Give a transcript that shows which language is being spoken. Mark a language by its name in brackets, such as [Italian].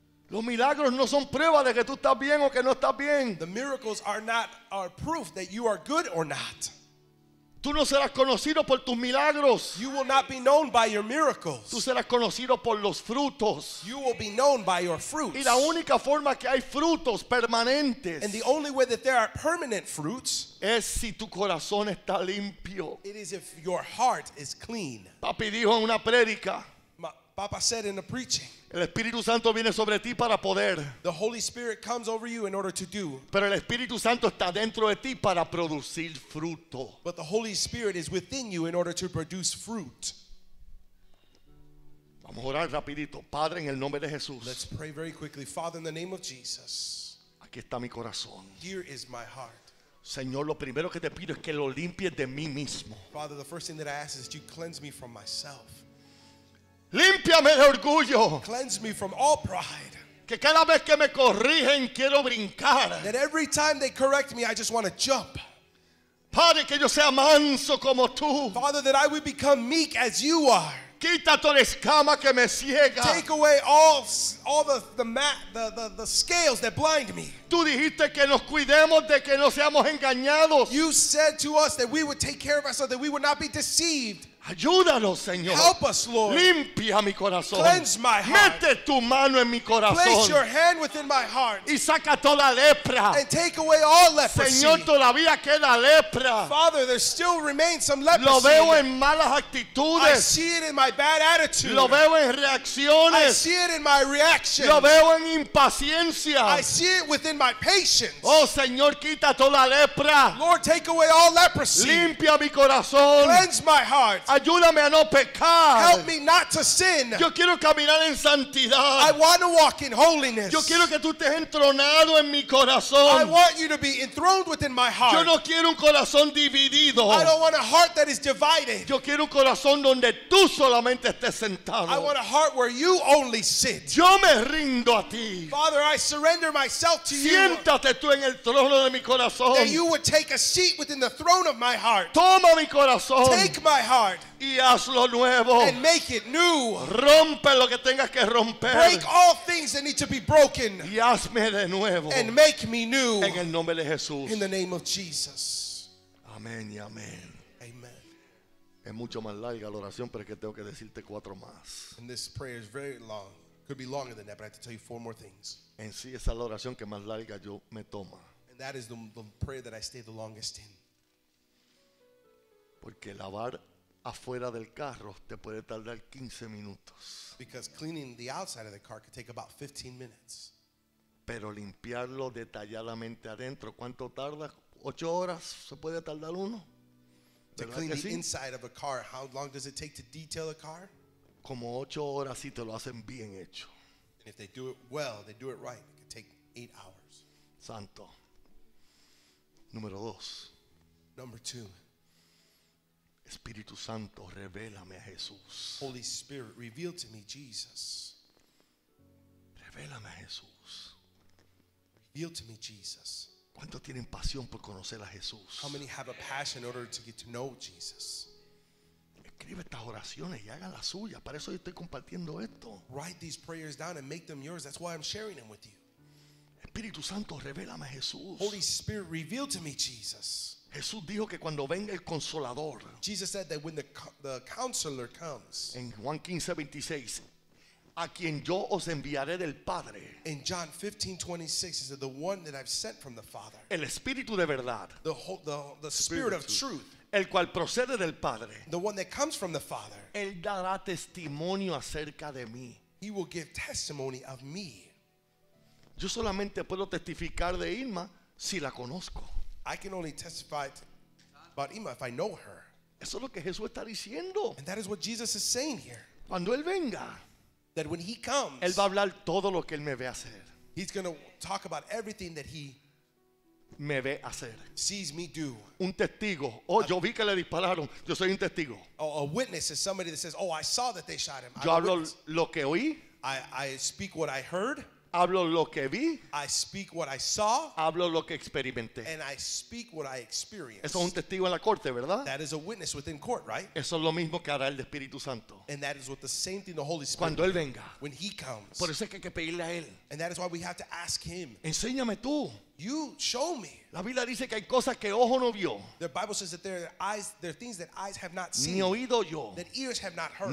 [Spanish] Los milagros no son prueba de que tú estás bien o que no estás bien. [English] The miracles are not our proof that you are good or not. [Spanish] Tú no serás conocido por tus milagros. [English] You will not be known by your miracles. [Spanish] Tú serás conocido por los frutos. [English] You will be known by your fruits. [Spanish] Y la única forma que hay frutos permanentes, [English] and the only way that there are permanent fruits, [Spanish] es si tu corazón está limpio. [English] It is if your heart is clean. [Spanish] Papi dijo en una prédica. [English] Papa said in the preaching. [Spanish] El Espíritu Santo viene sobre ti para poder. [English] The Holy Spirit comes over you in order to do. [Spanish] Pero el Espíritu Santo está dentro de ti para producir fruto. [English] But the Holy Spirit is within you in order to produce fruit. [Spanish] Vamos a orar rapidito. Padre, en el nombre de Jesús. [English] Let's pray very quickly. Father, in the name of Jesus. [Spanish] Aquí está mi corazón. [English] Here is my heart. [Spanish] Señor, lo primero que te pido es que lo limpies de mí mismo. [English] Father, the first thing that I ask is that you cleanse me from myself. [Spanish] Límpiame de orgullo. [English] Cleanse me from all pride. [Spanish] Que cada vez que me corrigen quiero brincar. [English] That every time they correct me I just want to jump. [Spanish] Padre, que yo sea manso como tú. [English] Father, that I would become meek as you are. [Spanish] Quita toda escama que me ciega. [English] Take away all the scales that blind me. [Spanish] Tú dijiste que nos cuidemos de que no seamos engañados. [English] You said to us that we would take care of ourselves, that we would not be deceived. [Spanish] Ayúdanos, Señor. [English] Help us, Lord. [Spanish] Limpia mi corazón. [English] Cleanse my heart. [Spanish] Mete tu mano en mi corazón. [English] Place your hand within my heart. [Spanish] Y saca toda lepra. [English] And take away all leprosy. [Spanish] Señor, todavía queda lepra. [English] Father, there still remains some leprosy. [Spanish] Lo veo en malas actitudes. [English] I see it in my bad attitude. [Spanish] Lo veo en reacciones. [English] I see it in my reaction. [Spanish] Lo veo en impaciencia. [English] I see it within my patience. [Spanish] Oh, Señor, quita toda lepra. [English] Lord, take away all leprosy. [Spanish] Limpia mi corazón. [English] Cleanse my heart. [Spanish] Ayúdame a no pecar. [English] Help me not to sin. [Spanish] Yo quiero caminar en santidad. [English] I want to walk in holiness. [Spanish] Yo quiero que tú estés entronado en mi corazón. [English] I want you to be enthroned within my heart. [Spanish] Yo no quiero un corazón dividido. [English] I don't want a heart that is divided. [Spanish] Yo quiero un corazón donde tú solamente estés sentado. [English] I want a heart where you only sit. [Spanish] Yo me rindo a ti. [English] Father, I surrender myself to you. [Spanish] Siéntate tú en el trono de mi corazón. [English] That you would take a seat within the throne of my heart. [Spanish] Toma mi corazón. [English] Take my heart. [Spanish] Y hazlo nuevo. [English] And make it new. [Spanish] Rompe lo que tengas que romper. [English] Break all things that need to be broken. [Spanish] Y hazme de nuevo. [English] And make me new. [Spanish] En el nombre de Jesús. [English] In the name of Jesus. [Spanish] Amén y amén. [English] Amen. [Spanish] Es mucho más larga la oración, pero es que tengo que decirte cuatro más. [English] And this prayer is very long. Could be longer than that, but I have to tell you four more things. [Spanish] En sí, esa es la oración que más larga yo me toma. [English] And that is the prayer that I stay the longest in. [Spanish] Porque lavar afuera del carro te puede tardar 15 minutos. [English] Because cleaning the outside of the car could take about 15 minutes. [Spanish] Pero limpiarlo detalladamente adentro, ¿cuánto tarda? 8 horas se puede tardar uno. [English] To clean the inside of a car, how long does it take to detail a car? [Spanish] Como 8 horas si te lo hacen bien hecho. [English] And if they do it well, they do it right, it could take 8 hours. [Spanish] Santo. Número 2. [English] Number 2. [Spanish] Espíritu Santo, revélame a Jesús. [English] Holy Spirit, reveal to me Jesus. [Spanish] Revélame a Jesús. [English] Reveal to me Jesus. [Spanish] ¿Cuántos tienen pasión por conocer a Jesús? [English] How many have a passion in order to get to know Jesus? [Spanish] Escribe estas oraciones y haga las suyas. Para eso yo estoy compartiendo esto. [English] Write these prayers down and make them yours. That's why I'm sharing them with you. [Spanish] Espíritu Santo, revélame a Jesús. [English] Holy Spirit, reveal to me Jesus. [Spanish] Jesús dijo que cuando venga el Consolador, [English] Jesus said that when the Counselor comes, [Spanish] en Juan 15:26, a quien yo os enviaré del Padre, [English] in John 15:26, he said, the one that I've sent from the Father, [Spanish] el Espíritu de verdad, [English] the Spirit of truth, [Spanish] el cual procede del Padre, [English] the one that comes from the Father, [Spanish] él dará testimonio acerca de mí, [English] he will give testimony of me. [Spanish] Yo solamente puedo testificar de Irma si la conozco. [English] I can only testify about Ima if I know her. [Spanish] Eso es lo que Jesús está diciendo. [English] And that is what Jesus is saying here. [Spanish] Cuando él venga, [English] that when he comes, [Spanish] él va a hablar todo lo que él me ve hacer. [English] He's going to talk about everything that he [Spanish] me ve hacer. [English] Sees me do. [Spanish] Un testigo. Oh, yo vi que le dispararon. Yo soy un testigo. [English] Oh, a witness is somebody that says, "Oh, I saw that they shot him." [Spanish] Yo hablo lo que oí. [English] I speak what I heard. [Spanish] Hablo lo que vi. [English] I speak what I saw. [Spanish] Hablo lo que experimenté. [English] And I speak what I experienced. [Spanish] Eso es un testigo en la corte, ¿verdad? [English] That is a witness within court, right? [Spanish] Eso es lo mismo que hará el Espíritu Santo. [English] And that is what the same thing the Holy Spirit. [Spanish] Cuando él venga. [English] When he comes. [Spanish] Por eso es que hay que pedirle a él. [English] And that is why we have to ask him. [Spanish] Enséñame tú. [English] You show me. [Spanish] La Biblia dice que hay cosas que ojo no vio. [English] The Bible says that there are things that eyes have not seen. [Spanish] Ni oído yo. [English] That ears have not heard.